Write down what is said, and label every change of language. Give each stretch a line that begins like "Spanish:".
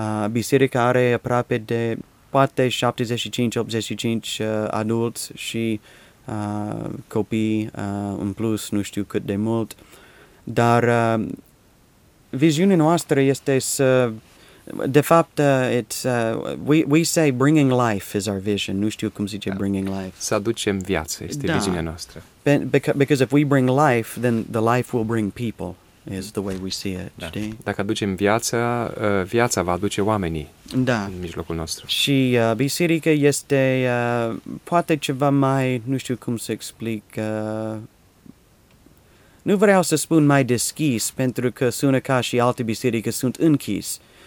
Romanian: Biserica are aproape de poate 75-85 adulți și copii în plus, nu știu cât de mult. Dar viziunea noastră este să, de fapt,
English: we say bringing life is our vision.
Romanian: Nu știu cum zice
English: bringing life.
Romanian: Să aducem viață este viziunea noastră.
English: Because if we bring life, then the life will bring people, is the way we see it.
Romanian: Da. Știi? Dacă aducem viață, viața va aduce oamenii da. În mijlocul nostru. Și biserica este poate ceva mai, nu știu cum să explic... Nu vreau să spun mai deschis, pentru că sună ca și alte biserică sunt închis.